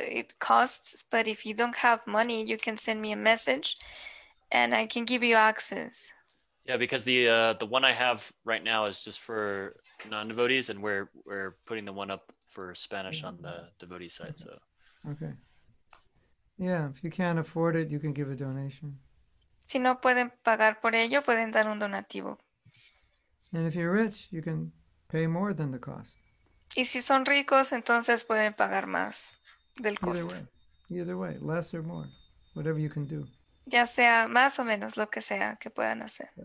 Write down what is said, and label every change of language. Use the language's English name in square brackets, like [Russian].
[English] It costs, but if you don't have money, you can send me a message and I can give you access. Yeah, because the one I have right now is just for non-devotees, and we're putting the one up for Spanish on the devotee side. Okay. So. Okay. Yeah, if you can't afford it, you can give a donation. [Spanish] Si no pueden pagar por ello, pueden dar un donativo. [English] And if you're rich, you can pay more than the cost. [Spanish] Y si son ricos, entonces pueden pagar más del costo. [English] Either way, less or more, whatever you can do. [Spanish] Ya sea más o menos lo que sea que puedan hacer.